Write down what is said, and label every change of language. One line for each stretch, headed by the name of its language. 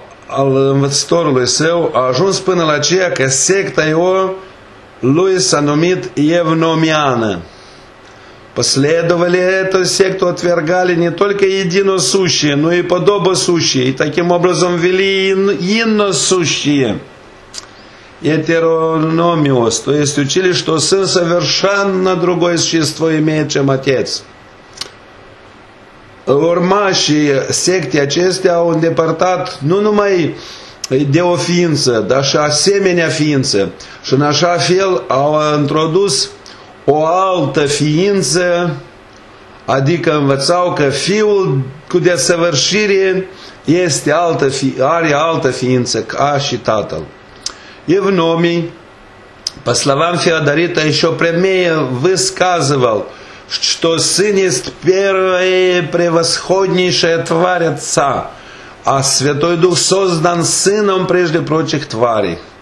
Romanian: al învățătorului său, a ajuns până la aceea că secta lui s-a numit Евномиана.
Russian: Последователи этой секты отвергали не только единосущие, но и подобосущие, и таким образом вели иносущие. Етерономиос, то есть учили, что сын совершенно другое существо имеет, чем отец.
Romanian: Urmașii sectei acestea au îndepărtat nu numai de o ființă, dar și asemenea ființă. Și în așa fel au introdus o altă ființă, adică învățau că Fiul cu desăvârșire este altă, are altă ființă ca și Tatăl.
Russian: Евномий, по словам Феодорита, еще прямее высказывал, что Сын есть первая превосходнейшая тварь Отца, а Святой Дух создан Сыном прежде прочих тварей.